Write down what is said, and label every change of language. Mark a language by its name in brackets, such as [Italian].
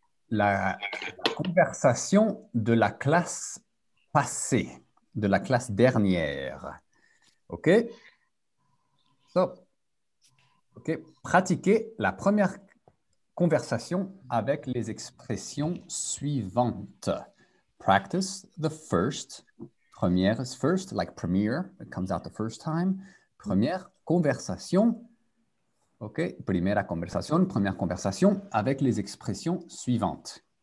[French] La conversation de la classe passée, de la classe dernière. OK. So, OK. Pratiquez la première conversation avec les expressions suivantes. [English] Practice the first, première is first, like premiere, it comes out the first time. [French] Première conversation, ok, première conversation avec les expressions suivantes.